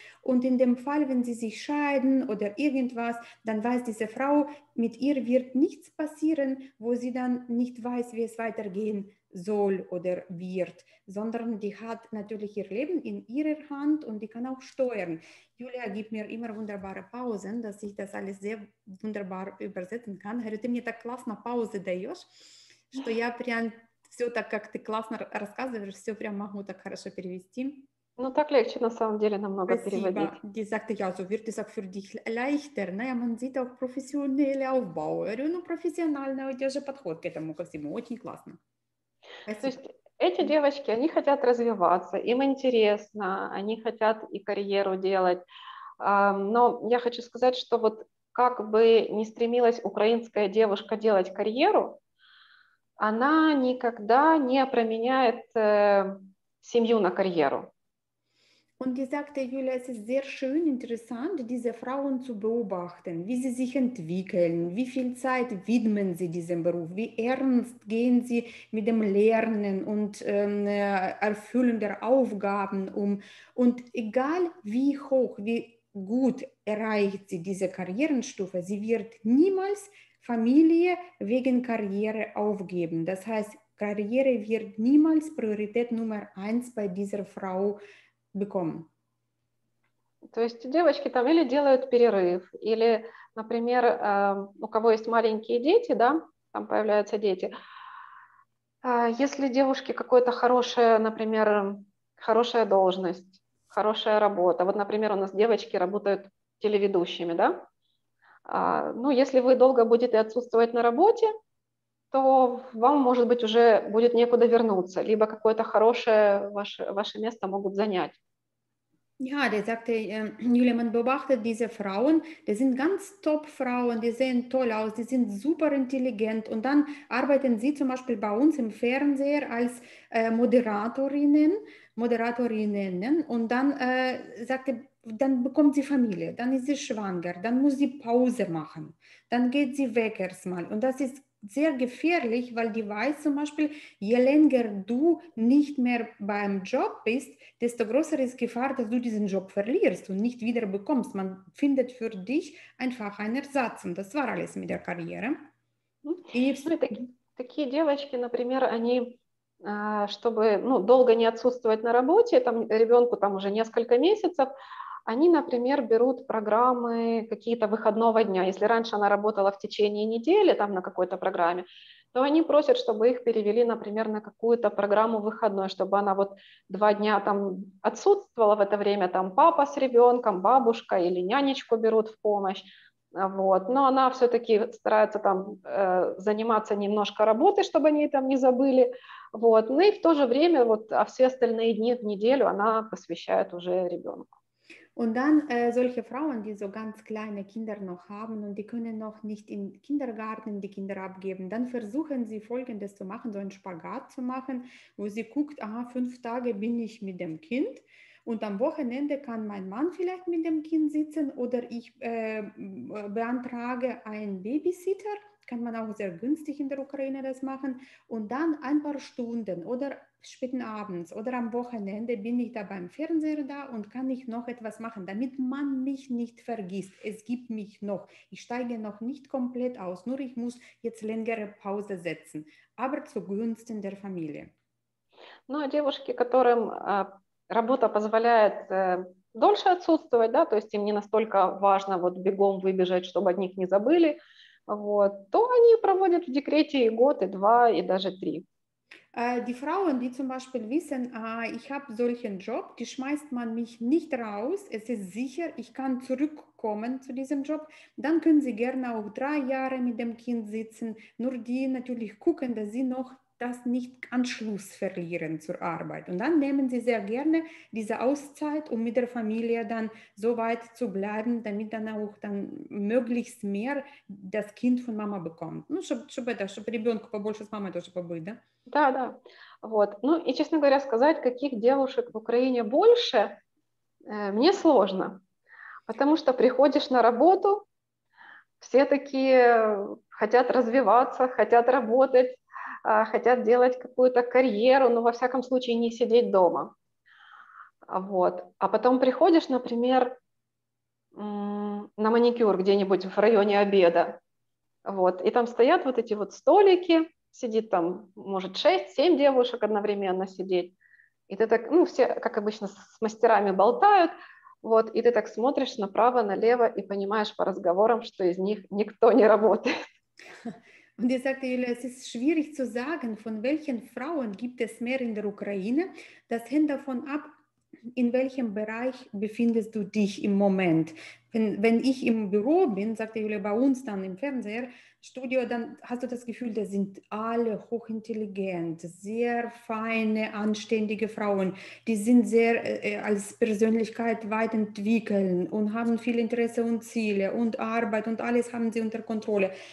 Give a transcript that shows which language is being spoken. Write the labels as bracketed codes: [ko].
[de] Und in dem Fall, wenn sie sich scheiden oder irgendwas, dann weiß diese Frau, mit ihr wird nichts passieren, wo sie dann nicht weiß, wie es weitergehen soll oder wird, sondern die hat natürlich ihr Leben in ihrer Hand und die kann auch steuern. Julia gibt mir immer wunderbare Pausen, dass ich das alles sehr wunderbar übersetzen kann. Heute mir [ru] так классно паузы даешь, что я прям все так, как ты классно рассказываешь, все прям могу так хорошо перевести. Ну, так легче, на самом деле, намного Спасибо. Переводить. [de] Die sagte, ja, so wird es auch für dich leichter. Naja, man sieht auch professionelle Aufbau. [ru] Ну, профессиональный у тебя же подход к этому ко всему. Очень классно. Спасибо. То есть эти девочки, они хотят развиваться, им интересно, они хотят и карьеру делать. Но я хочу сказать, что вот как бы ни стремилась украинская девушка делать карьеру, она никогда не променяет семью на карьеру. [de] Und die sagte, Julia, es ist sehr schön interessant, diese Frauen zu beobachten, wie sie sich entwickeln, wie viel Zeit widmen sie diesem Beruf, wie ernst gehen sie mit dem Lernen und Erfüllen der Aufgaben um. Und egal wie hoch, wie gut erreicht sie diese Karrierenstufe, sie wird niemals Familie wegen Karriere aufgeben. Das heißt, Karriere wird niemals Priorität Nummer eins bei dieser Frau bekommen. [ru] То есть девочки там или делают перерыв, или, например, у кого есть маленькие дети, да, там появляются дети. Если девушке какое-то хорошее, например, хорошая должность, хорошая работа. Вот, например, у нас девочки работают телеведущими, да. Ну, если вы долго будете отсутствовать на работе, то вам, может быть, уже будет некуда вернуться, либо какое-то хорошее ваше место могут занять. [de] Ja, der sagte, Julia, man beobachtet diese Frauen, die sind ganz top Frauen, die sehen toll aus, die sind super intelligent und dann arbeiten sie zum Beispiel bei uns im Fernseher als Moderatorinnen und dann sagte, dann bekommt sie Familie, dann ist sie schwanger, dann muss sie Pause machen, dann geht sie weg erstmal und das ist sehr gefährlich, weil die weiß zum Beispiel, je länger du nicht mehr beim Job bist, desto größer ist Gefahr, dass du diesen Job verlierst und nicht wieder bekommst. Man findet für dich einfach einen Ersatz und das war alles mit der Karriere. [ru] Такие девочки, например, они, чтобы долго не отсутствовать на работе, там ребенку там уже несколько месяцев, они, например, берут программы какие-то выходного дня. Если раньше она работала в течение недели там на какой-то программе, то они просят, чтобы их перевели, например, на какую-то программу выходной, чтобы она вот два дня там отсутствовала в это время, там папа с ребенком, бабушка или нянечку берут в помощь. Вот. Но она все-таки старается там заниматься немножко работой, чтобы они там не забыли. Вот. Ну и в то же время, вот, а все остальные дни в неделю она посвящает уже ребенку. [de] Und dann solche Frauen, die so ganz kleine Kinder noch haben und die können noch nicht im Kindergarten die Kinder abgeben, dann versuchen sie Folgendes zu machen, so einen Spagat zu machen, wo sie guckt, aha, 5 Tage bin ich mit dem Kind und am Wochenende kann mein Mann vielleicht mit dem Kind sitzen oder ich beantrage einen Babysitter, kann man auch sehr günstig in der Ukraine das machen und dann ein paar Stunden oder späten Abends oder am Wochenende bin ich da beim Fernseher da und kann ich noch etwas machen, damit man mich nicht vergisst. Es gibt mich noch. Ich steige noch nicht komplett aus, nur ich muss jetzt längere Pause setzen, aber zugunsten der Familie. [ru] Ну, а девушки, которым работа позволяет дольше отсутствовать, да, то есть им не настолько важно вот бегом выбежать, чтобы от них не забыли, вот, то они проводят в декрете и год, и два, и даже три. [de] Die Frauen, die zum Beispiel wissen, ich habe solchen Job, die schmeißt man mich nicht raus, es ist sicher, ich kann zurückkommen zu diesem Job, dann können sie gerne auch 3 Jahre mit dem Kind sitzen, nur die natürlich gucken, dass sie noch das nicht Anschluss verlieren zur Arbeit. Und dann nehmen sie sehr gerne diese Auszeit, um mit der Familie dann so weit zu bleiben, damit dann auch dann möglichst mehr das Kind von Mama bekommt. [ru] Ну, чтобы да, чтобы ребенку побольше с мамой тоже побыть, да? Да, да. Вот. Ну и, честно говоря, сказать, каких девушек в Украине больше, мне сложно. Потому что приходишь на работу, все такие хотят развиваться, хотят работать, хотят делать какую-то карьеру, но во всяком случае не сидеть дома. Вот. А потом приходишь, например, на маникюр где-нибудь в районе обеда. Вот. И там стоят вот эти вот столики, сидит там, может, 6-7 девушек одновременно сидеть. И ты так, ну, все, как обычно, с мастерами болтают, вот, и ты так смотришь направо-налево и понимаешь по разговорам, что из них никто не работает. [de] Und ihr sagt, Julia, es ist schwierig zu sagen, von welchen Frauen gibt es mehr in der Ukraine. Das hängt davon ab, in welchem Bereich befindest du dich im Moment. Wenn ich im Büro bin, sagt der Julia, bei uns dann im Fernseher, Studio, dann hast du das Gefühl, da sind alle hochintelligent, sehr feine, anständige Frauen, die sind sehr als Persönlichkeit weit entwickeln und haben viel Interesse und Ziele und Arbeit und alles haben sie unter Kontrolle.